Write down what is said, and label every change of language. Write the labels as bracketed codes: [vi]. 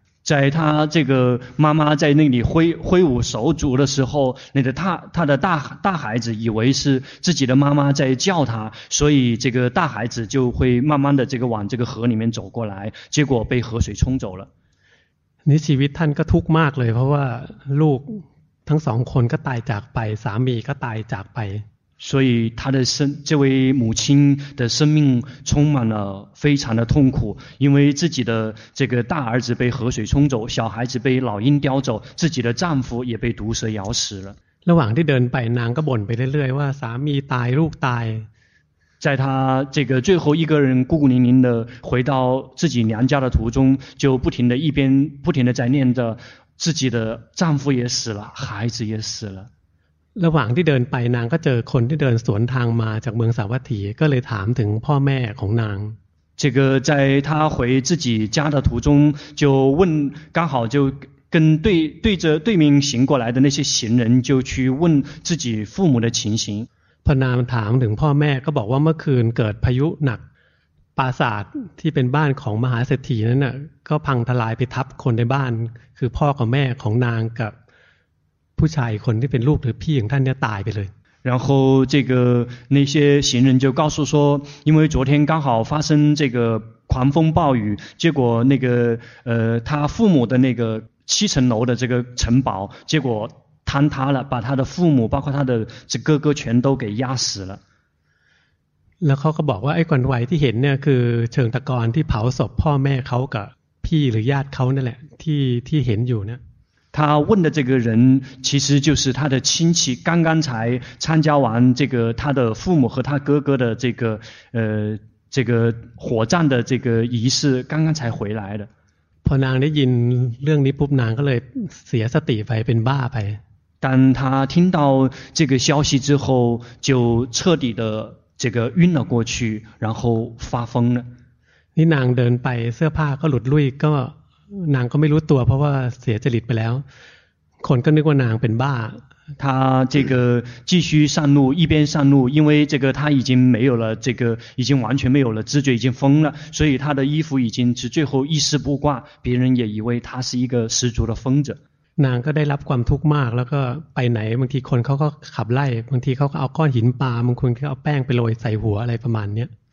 [zh] 在他这个妈妈在那里挥舞手足的时候，那个他的大孩子以为是自己的妈妈在叫他，所以这个大孩子就会慢慢的这个往这个河里面走过来，结果被河水冲走了。你 [th] ชีวิตท่านก็ทุกข์มากเลยเพราะว่าลูกทั้งสองคนก็ตายจากไปสามีก็ตายจากไป [zh] 所以他的这位母亲的生命充满了非常的痛苦，因为自己的这个大儿子被河水冲走，小孩子被老鹰叼走，自己的丈夫也被毒蛇咬死了。 [th] ระหว่างที่เดินไปนางก็บ่นไปเรื่อยๆว่าสามีตายลูกตาย [zh] 在他这个最后一个人孤孤零零的回到自己娘家的途中，就不停的一边不停的在念着自己的丈夫也死了，孩子也死了。 [th] ระหว่างที่เดินไปนางก็เจอคนที่เดินสวนทางมาจากเมืองสาวัตถีก็เลยถามถึงพ่อแม่ของนาง [zh] 这个在他回自己家的途中就问刚好就跟对着对面行过来的那些行人就去问自己父母的情形 [th] พอนางถามถึงพ่อแม่ก็บอกว่าเมื่อคืนเกิดพายุหนักปราสาทที่เป็นบ้านของมหาเศรษฐีนั้นน่ะก็พังทลายไปทับคนในบ้านคือพ่อกับแม่ของนางกับผู้ชายคนที่เป็นลูกหรือพี่ของท่านเนี่ยตายไปเลย [zh] 然后这个那些行人就告诉说因为昨天刚好发生这个狂风暴雨结果那个他父母的那个七层楼的这个城堡结果坍塌了把他的父母包括他的这哥哥全都给压死了 [th] แล้วเขาก็บอกว่าไอ้ควันไหวที่เห็นเนี่ยคือเชิงตะกอนที่เผาศพพ่อแม่เขากับพี่หรือญาติเขานั่นแหละที่เห็นอยู่เนี่ย [zh] 他问的这个人其实就是他的亲戚刚刚才参加完这个他的父母和他哥哥的这个火葬的这个仪式刚刚才回来的 [th] พอนางได้ยินเรื่องนี้ปุ๊บนางก็เลยเสียสติไปเป็นบ้าไป [zh] 当他听到这个消息之后就彻底的这个晕了过去然后发疯了 [th] นี่นางเดินไปเสื้อผ้าก็หลุดลุ่ยก็นางก็ไม่รู้ตัวเพราะว่าเสียจริตไปแล้วคนก็นึกว่านางเป็นบ้า [zh] 他这个继续上路一边上路因为这个他已经没有了这个已经完全没有了知觉已经疯了所以他的衣服已经是最后一丝不挂别人也以为他是一个十足的疯子 [th] นางก็ได้รับความทุกข์มากแล้วก็ไปไหนบางทีคนเขาก็ขับไล่บางทีเขาก็เอาก้อนหินปาบางคนก็เอาแป้งไปโรยใส่หัวอะไรประมาณเนี้ย